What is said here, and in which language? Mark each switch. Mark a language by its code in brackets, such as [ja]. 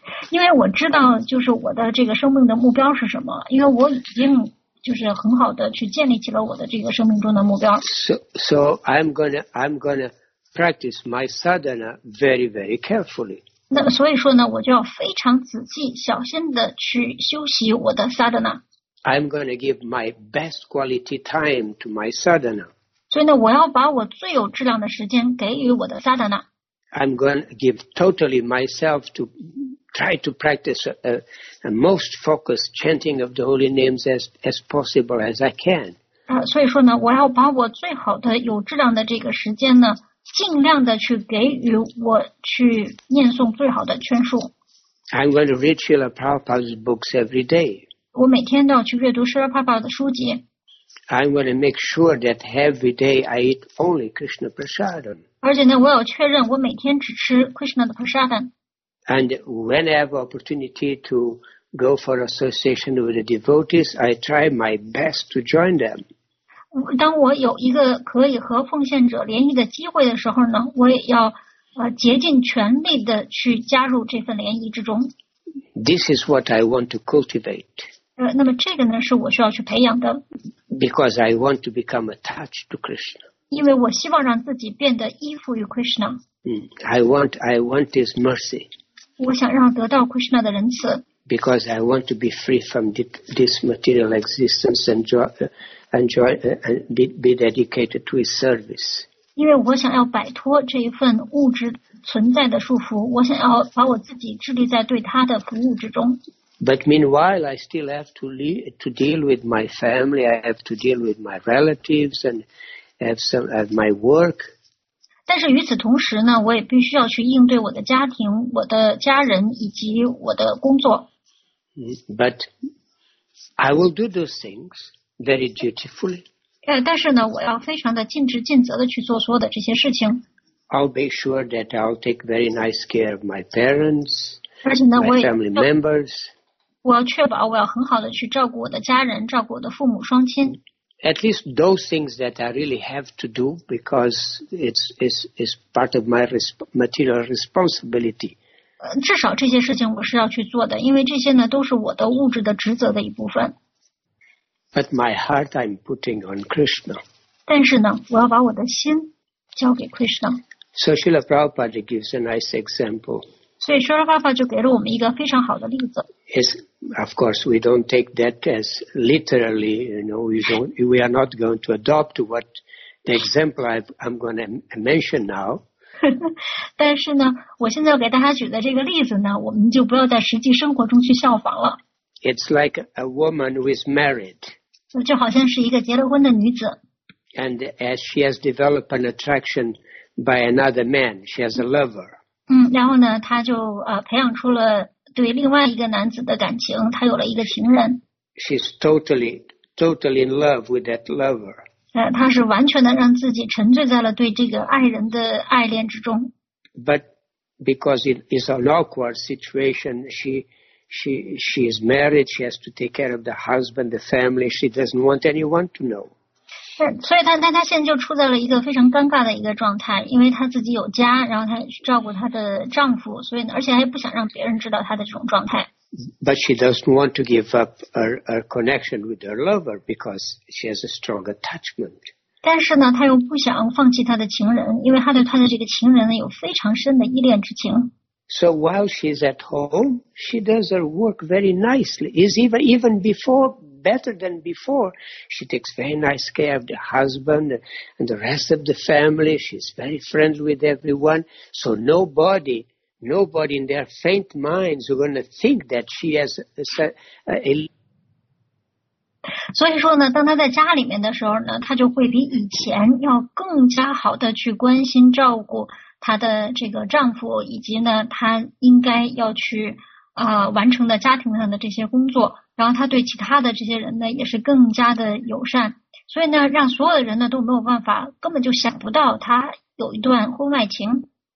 [zh] 因为我知道就是我的这个生命的目标是什么，因为我已经就是很好的去建立起了我的这个生命中的目标。 [en] So I'm gonna practice my sadhana very, very carefully. [zh] 那么所以说呢，我就要非常仔细、小心的去修习我的 sadhana。 [en] I'm going to give my best quality time to my sadhana. [zh] 所以呢，我要把我最有质量的时间给予我的萨达纳。 [en] I'm going to give totally myself to try to practice a most focused chanting of the holy names as possible as I can. [zh] 所以说呢，我要把我最好的有质量的这个时间呢，尽量的去给予我去念诵最好的圈数。 [en] I'm going to read Srila Prabhupada's books every day. [zh] 我每天都要去阅读 Srila Prabhupada 的书籍。 [en] I'm going to make sure that every day I eat only Krishna prasadam. [zh] 而且呢，我要确认我每天只吃 Krishna 的 prasadam. [en] And when I have opportunity to go for association with the devotees, I try my best to join them. [zh] 当我有一个可以和奉献者联谊的机会的时候呢，我也要竭尽全力的去加入这份联谊之中。 [en] This is what I want to cultivate. [zh] 那么这个呢，是我需要去培养的。 [en] Because I want to become attached to Krishna. [zh] 因为我希望让自己变得依附于 Krishna. [en] I want His mercy. [zh] 我想让得到 Krishna 的仁慈。 [en] Because I want to be free from this material existence and be dedicated to His service. [zh] 因为我想要摆脱这一份物质存在的束缚，我想要把我自己致力在对他的服务之中。 [en] But meanwhile, I still have to deal with my family. I have to deal with my relatives and have my work. [zh] 但是与此同时呢，我也必须要去应对我的家庭、我的家人以及我的工作。 [en] But I will do those things very dutifully. [zh] 但是呢，我要非常的尽职尽责的去做所有的这些事情。 [en] I'll make sure that I'll take very nice care of my parents, [zh] 而且呢 [en] my family members. [zh] 我要确保我要很好的去照顾我的家人，照顾我的父母双亲。 [en] At least those things that I really have to do because it's part of my material responsibility. [zh] 至少这些事情我是要去做的，因为这些呢都是我的物质的职责的一部分。 [en] But my heart I'm putting on Krishna. [zh] 但是呢，我要把我的心交给 Krishna. [en] So Srila Prabhupada gives a nice example. [zh] 所以说说爸爸就给了我们一个非常好的例子。 [en] Yes, of course, we don't take that as literally, you know, we are not going to adopt what the example I'm going to mention now. [zh] 但是呢，我现在要给大家举的这个例子呢，我们就不要在实际生活中去效仿了。 [en] It's like a woman who is married. [zh] 就好像是一个结了婚的女子。 [en] And as she has developed an attraction by another man, she has a lover. [zh] 然后呢，他就培养出了对另外一个男子的感情，他有了一个情人。 [en] She's totally in love with that lover. [zh] 他是完全的让自己沉醉在了对这个爱人的爱恋之中。 [en] But because it is an awkward situation, she is married. She has to take care of the husband, the family. She doesn't want anyone to know. [zh] 所以他现在就处在了一个非常尴尬的一个状态，因为他自己有家，然后他去照顾他的丈夫，所以呢，而且还不想让别人知道他的这种状态。 [en] But she doesn't want to give up her connection with her lover because she has a strong attachment. [zh] 但是呢，他又不想放弃他的情人，因为他对他的这个情人呢有非常深的依恋之情。 [en] So while she's at home, she does her work very nicely. Is even beforeBetter than before, she takes very nice care of the husband and the rest of the family. She's very friendly with everyone. So nobody in their faint minds are going to think that she has a [zh] 所以说呢，当她在家里面的时候呢，她就会比以前要更加好的去关心照顾她的这个丈夫，以及呢，她应该要去完成的家庭上的这些工作。然后他对其他的这些人呢也是更加的友善，所以呢让所有的人呢都没有办法，根本就想不到他有一段婚外情。